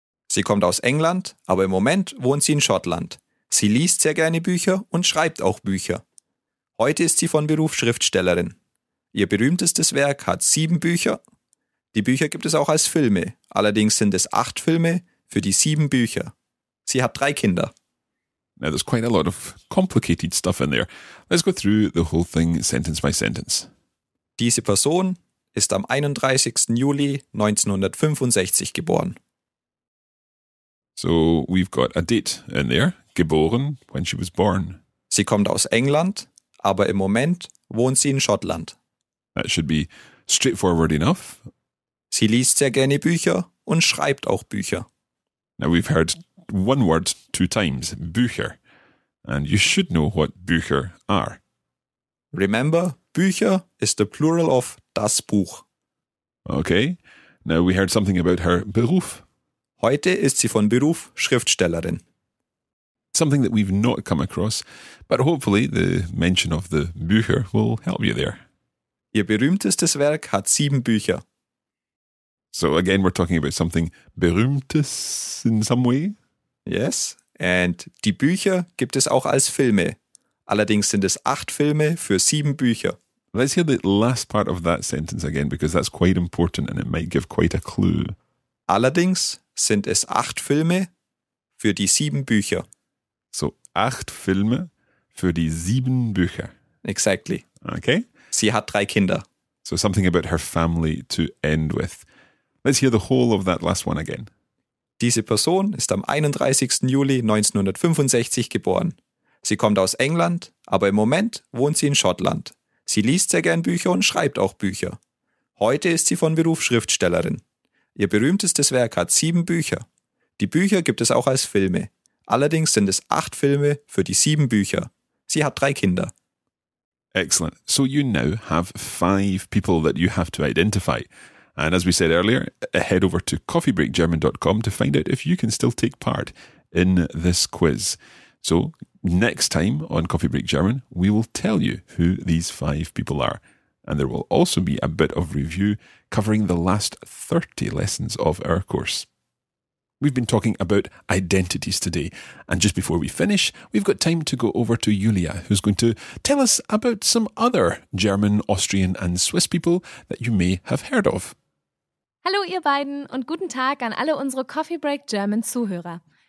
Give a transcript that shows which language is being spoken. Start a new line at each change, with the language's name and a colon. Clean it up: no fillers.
German: Sie kommt aus England, aber im Moment wohnt sie in Schottland. Sie liest sehr gerne Bücher und schreibt auch Bücher. Heute ist sie von Beruf Schriftstellerin. Ihr berühmtestes Werk hat 7 Bücher. Die Bücher gibt es auch als Filme. Allerdings sind es 8 Filme für die 7 Bücher. Sie hat 3 Kinder.
English: Now there's quite a lot of complicated stuff in there. Let's go through the whole thing sentence by sentence.
German: Diese Person ist am 31. Juli 1965 geboren.
English: So we've got a date in there. Geboren, when she was born.
German: Sie kommt aus England, aber im Moment wohnt sie in Schottland.
English: That should be straightforward enough.
German: Sie liest sehr gerne Bücher und schreibt auch Bücher.
English: Now we've heard one word two times, Bücher. And you should know what Bücher are. Remember, Bücher is the plural of das Buch. Okay, now we heard something about her Beruf.
German: Heute ist sie von Beruf Schriftstellerin.
English: Something that we've not come across, but hopefully the mention of the Bücher will help you there. Ihr berühmtestes Werk hat 7 Bücher. So again, we're talking about something berühmtes in some way. Yes, and
German: die Bücher gibt es auch als Filme. Allerdings sind es 8 Filme für 7 Bücher.
English: Let's hear the last part of that sentence again, because that's quite important and it might give quite a clue.
German: Allerdings sind es 8 Filme für die 7 Bücher. So, 8 Filme für die 7 Bücher.
English: Exactly. Okay.
German: Sie hat 3 Kinder.
English: So something about her family to end with. Let's hear the whole of that last one again.
German: Diese Person ist am 31. Juli 1965 geboren. Sie kommt aus England, aber im Moment wohnt sie in Schottland. Sie liest sehr gern Bücher und schreibt auch Bücher. Heute ist sie von Beruf Schriftstellerin. Ihr berühmtestes Werk hat 7 Bücher. Die Bücher gibt es auch als Filme. Allerdings sind es 8 Filme für die 7 Bücher. Sie hat 3 Kinder.
English: Excellent. So you now have 5 people that you have to identify. And as we said earlier, head over to coffeebreakgerman.com to find out if you can still take part in this quiz. So next time on Coffee Break German, we will tell you who these 5 people are. And there will also be a bit of review covering the last 30 lessons of our course. We've been talking about identities today. And just before we finish, we've got time to go over to Julia, who's going to tell us about some other German, Austrian and Swiss people that you may have heard of.
German: Hallo ihr beiden und guten Tag an alle unsere Coffee Break German Zuhörer.